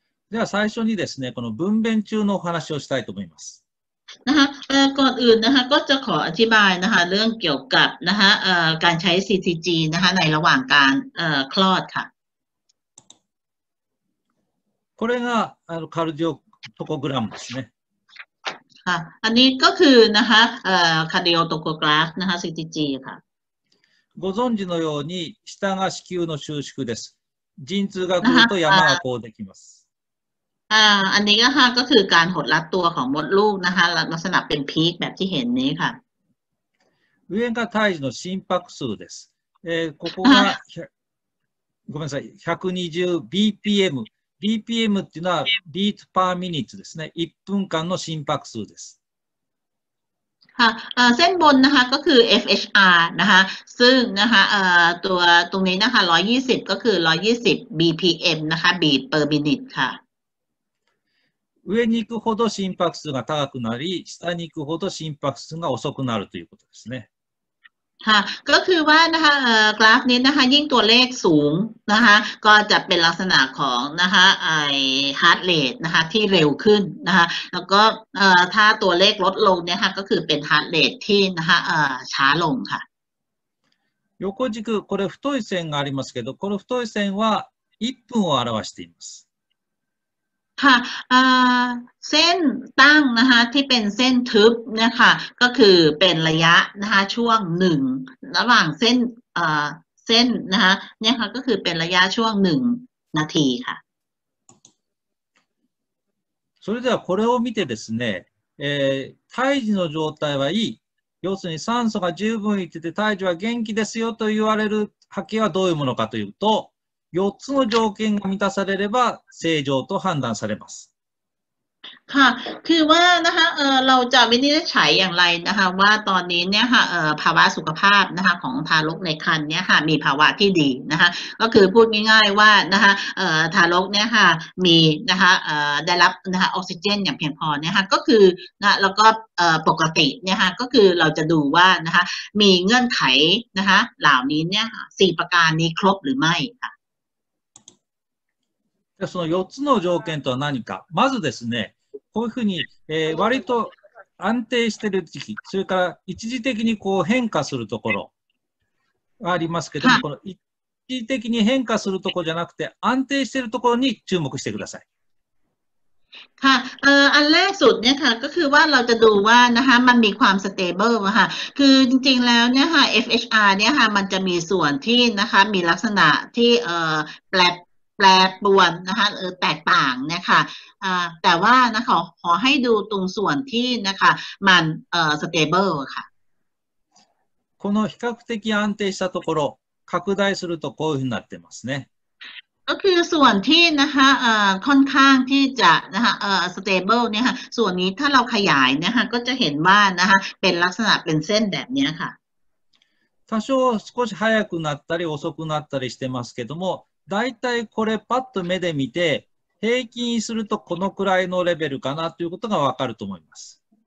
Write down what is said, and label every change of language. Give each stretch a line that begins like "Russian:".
Japanese: では最初にですね、この分娩中のお話をしたいと思います。
Thai: นะคะก่อนอื่นนะคะก็จะขออธิบายนะคะเรื่องเกี่ยวกับนะคะการใช้ CTG นะคะในระหว่างการคลอดค่ะ
Japanese: これがカルディオトコグラムですね
Thai: ค่ะอันนี้ก็คือนะคะคาร์ดิโอโทโคกราฟนะคะ CTG ค่ะ
Japanese: ご存知のように下が子宮の収縮です陣痛が来ると山がこうできます
Thai: อันนี้ก็ค่ะก็คือการหดรัดตัวของมดลูกนะคะลักษณะเป็นพีคแบบที่เห็นนี้ค่ะ
Japanese: 上が胎児の心拍数です。ここが、ごめんなさい、120BPM。 BPM っていうのは、ビートパーミニッツですね。1分間の心拍数です。
Thai: เส้นบนนะคะก็คือ FHR นะคะซึ่งนะคะตัวตรงนี้นะคะ120ก็คือ120 BPM นะคะ
English: beat per minute
Thai: ค่ะ
Japanese: 上に行くほど心拍数が高くなり下に行くほど心拍数が遅くなるということですね
Thai: ค่ะก็คือว่านะคะกราฟนี้นะคะยิ่งตัวเลขสูงนะคะก็จะเป็นลักษณะของนะคะไอ้ heart rate นะคะที่เร็วขึ้นนะคะแล้วก็ถ้าตัวเลขลดลงเนี่ยค่ะก็คือเป็น heart rate ที่นะคะช้าลงค่ะ
Japanese: 横軸これ太い線がありますけどこの太い線は1分を表しています
Thai: ค่ะเส้นตั้งนะคะที่เป็นเส้นทึบนะคะก็คือเป็นระยะนะคะช่วง1ระหว่างเส้นเส้นนะคะเนี่ยค่ะก็คือเป็นระยะช่วง1นาทีค่ะ
Japanese: それではこれを見てですね胎児の状態はいい要するに酸素が十分いってて胎児は元気ですよと言われる波形はどういうものかというと4つの条件が満たされれば正常と判断されます。
Thai: ค่ะ คือว่านะคะ เราจะวินิจฉัยอย่างไรนะคะว่าตอนนี้เนี่ยค่ะ ภาวะสุขภาพนะคะของทารกในครรภ์เนี่ยค่ะมีภาวะที่ดีนะคะก็คือพูดง่ายๆว่านะคะ ทารกเนี่ยค่ะมีนะคะ ได้รับนะคะออกซิเจนอย่างเพียงพอเนี่ยค่ะก็คือนะแล้วก็ปกติเนี่ยค่ะก็คือเราจะดูว่านะคะมีเงื่อนไขนะคะเหล่านี้เนี่ย4ประการนี้ครบหรือไม่ค่ะ
Japanese: その4つの条件とは何か。まずですね、こういうふうに、割と安定している時期、それから一時的にこう変化するところがありますけども、この一時的に変化するところじゃなくて、安定しているところに注目してください。
Thai: ค่ะอันแรกสุดเนี่ยค่ะก็คือว่าเราจะดูว่านะคะมันมีความสเตเบิลค่ะคือจริงๆแล้วเนี่ยค่ะ FHR เนี่ยค่ะมันจะมีส่วนที่นะคะมีลักษณะที่แปรปรวนนะคะแตกต่างนะคะแต่ว่านะคะขอให้ดูตรงส่วนที่นะคะมันสเตเบิลค่ะ
Japanese: この比較的安定したところ拡大するとこういうふうになってますね
Thai: ก็คือส่วนที่นะคะค่อนข้างที่จะนะคะสเตเบิลเนี่ยค่ะส่วนนี้ถ้าเราขยายนะคะก็จะเห็นว่านะคะเป็นลักษณะเป็นเส้นแบบนี้ค่ะ
Japanese: 多少少し早くなったり遅くなったりしてますけどもだいたいこれパッと目で見て平均するとこのくらいのレベルかなということがわかると思います。